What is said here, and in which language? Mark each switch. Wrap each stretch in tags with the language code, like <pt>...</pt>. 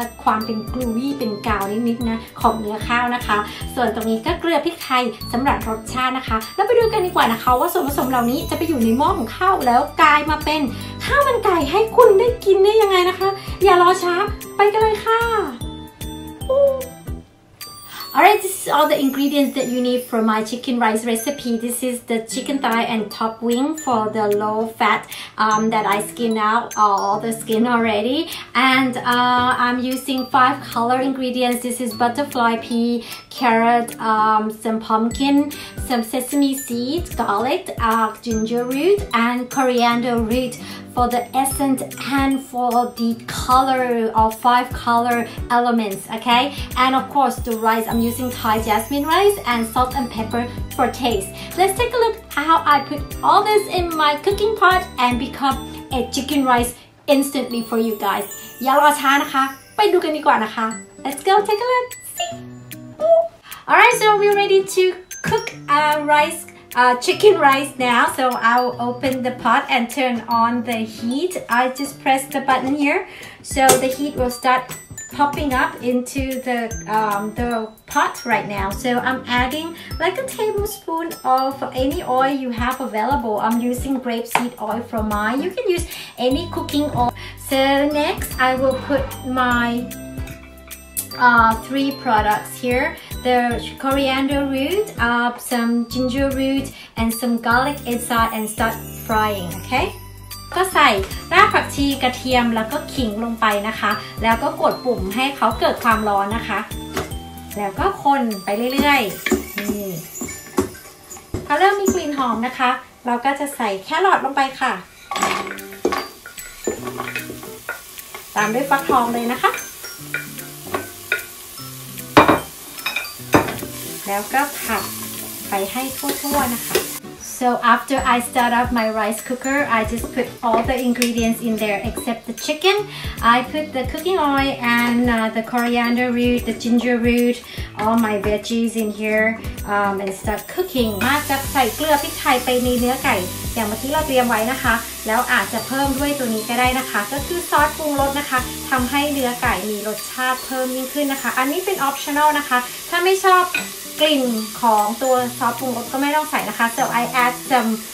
<th>ความเป็นกลูวี่เป็นกาวนิดๆนะของเนื้อข้าวนะคะส่วนตรงนี้ก็เกลือพริกไทยสำหรับรสชาตินะคะแล้วไปดูกันดีกว่านะคะว่าส่วนผสมเหล่านี้จะไปอยู่ในหม้อของข้าวแล้วกลายมาเป็นข้าวมันไก่ให้คุณได้กินได้ยังไงนะคะอย่ารอช้าไปกันเลยค่ะ</th> <en>Alright, this is all the ingredients that you need for my chicken rice recipe. This is the chicken thigh and top wing for the low fat that I skin out all the skin already. And I'm using 5 color ingredients. This is butterfly pea, carrot, some pumpkin, some sesame seeds, garlic, ginger root, and coriander root. For the essence and for the color of 5 color elements, okay? And of course, the rice, I'm using Thai jasmine rice and salt and pepper for taste. Let's take a look how I put all this in my cooking pot and become a chicken rice instantly for you guys.</en> <th>อย่ารอช้านะคะ ไปดูกันดีกว่านะคะ</th> <en>Let's go take a look. See? All right, so we're ready to cook our ricechicken rice now, so I'll open the pot and turn on the heat. I just press the button here, so the heat will start popping up into the pot right now. So I'm adding like a tablespoon of any oil you have available. I'm using grapeseed oil from mine. You can use any cooking oil. So next, I will put my three products here. The coriander root, some ginger root, and some garlic inside, and start frying. Okay.</en> <th>ก็ใส่รากผักชีกระเทียมแล้วก็ขิงลงไปนะคะแล้วก็กดปุ่มให้เขาเกิดความร้อนนะคะแล้วก็คนไปเรื่อยๆนี่เขาเริ่มมีกลิ่นหอมนะคะเราก็จะใส่แครอทลงไปค่ะ ตามด้วยฟักทองเลยนะคะแล้วก็ผัดไปให้ทั่วๆนะคะ</th> <en>So after I start up my rice cooker, I just put all the ingredients in there except the chicken. I put the cooking oil and the coriander root, the ginger root, all my veggies in here and start cooking.</en> <th>มาจะใส่เกลือพริกไทยไปในเนื้อไก่อย่างเมื่อกี้เราเตรียมไว้นะคะแล้วอาจจะเพิ่มด้วยตัวนี้ก็ได้นะคะก็คือซอสปรุงรสนะคะทำให้เนื้อไก่มีรสชาติเพิ่มยิ่งขึ้นนะคะอันนี้เป็นออปชั่นอลนะคะถ้าไม่ชอบกลิ่นของตัวซอสปรุงรสก็ไม่ต้องใส่นะคะ</th> <en>so I add some</en>